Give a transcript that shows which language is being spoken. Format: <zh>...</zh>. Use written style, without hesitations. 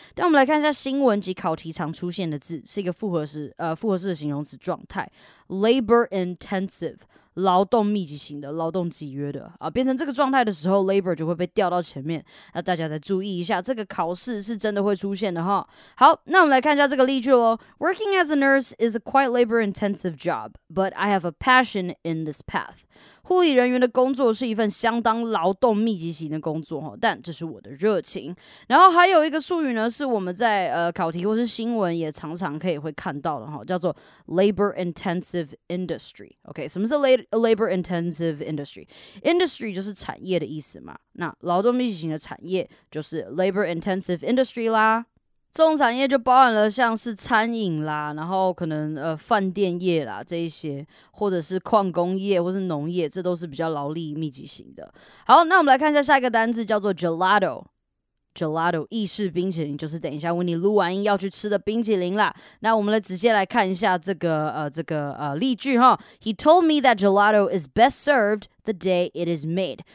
<zh>但我们来看一下新闻及考题常出现的字，是一个复合式的形容词状态 ，labor intensive， 劳动密集型的、劳动集约的啊，变成这个状态的时候 ，labor 就会被调到前面。那大家再注意一下，这个考试是真的会出现的哈。好，那我们来看一下这个例句喽</zh> <en>，Working as a nurse is a quite labor intensive job。 But I have a passion in this path.</en> <zh>护理人员的工作是一份相当劳动密集型的工作，但这是我的热情。然后还有一个术语呢，是我们在考题或是新闻也常常可以会看到的，叫做 labor intensive industry. OK， 什么是 labor intensive industry？ Industry 就是产业的意思嘛。那劳动密集型的产业就是 labor intensive industry 啦。这种产业就包含了像是餐饮啦，然后可能饭店业啦这一些，或者是矿工业或是农业，这都是比较劳力密集型的。好，那我们来看一下下一个单字叫做 gelato。gelato 意式冰淇淋就是等一下为你录完音要去吃的冰淇淋啦。那我们来直接来看一下这个例句哈。</zh> <en>He told me that gelato is best served the day it is made.</en>